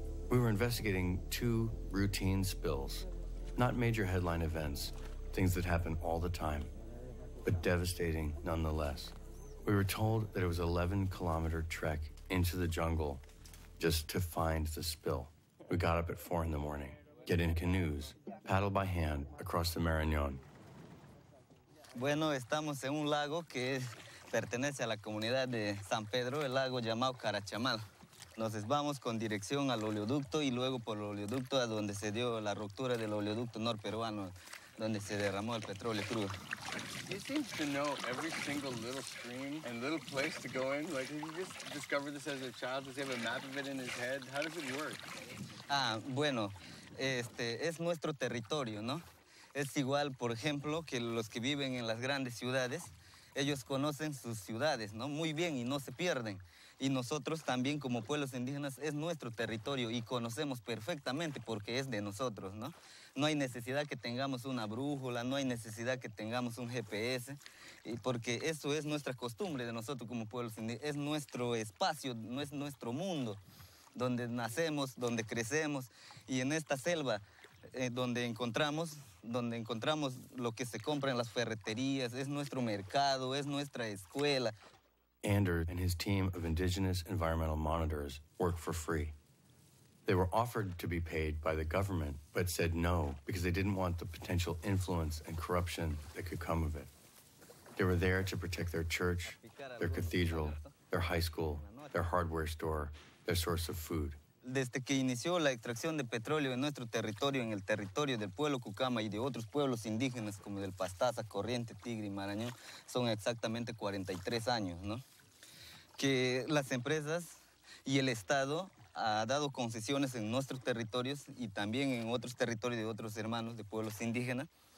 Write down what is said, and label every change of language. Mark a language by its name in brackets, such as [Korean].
[English] We were investigating two routine spills, not major headline events, things that happen all the time, but devastating nonetheless. We were told that it was an 11-kilometer trek into the jungle just to find the spill. We got up at 4 in the morning, get in canoes, paddle by hand across the Marañón. [Spanish] Bueno, estamos en un lago que pertenece a la comunidad de San Pedro, el lago llamado Carachamal. Nos vamos con dirección al oleoducto y luego por el oleoducto a donde se dio la ruptura del oleoducto norperuano. Donde se derramó el petróleo crudo. [English] He seems to know every single little stream and little place to go in. Like, did he just discover this as a child? Does he have a map of it in his head? How does it work? [Spanish] Ah, bueno, este es nuestro territorio, ¿no? Es igual, por ejemplo, que los que viven en las grandes ciudades, ellos conocen sus ciudades, ¿no? Muy bien y no se pierden. Y nosotros también como pueblos indígenas es nuestro territorio y conocemos perfectamente porque es de nosotros, ¿no? No hay necesidad que tengamos una brújula, no hay necesidad que tengamos un GPS, porque eso es nuestra costumbre de nosotros como pueblos indígenas. Es nuestro espacio, no es nuestro mundo, donde nacemos, donde crecemos. Y en esta selva, donde encontramos lo que se compra en las ferreterías, es nuestro mercado, es nuestra escuela. [English] Ander and his team of indigenous environmental monitors work for free. They were offered to be paid by the government, but said no because they didn't want the potential influence and corruption that could come of it. They were there to protect their church, their cathedral, their high school, their hardware store, their source of food. [Spanish] Desde que inició la extracción de petróleo en nuestro territorio, en el territorio del pueblo Cucama y de otros pueblos indígenas como del Pastaza, Corriente, Tigre y Marañón, son exactamente 43 años, ¿no? Que las empresas y el Estado ha dado concesiones en nuestros territorios y también en otros territorios de otros hermanos de pueblos indígenas.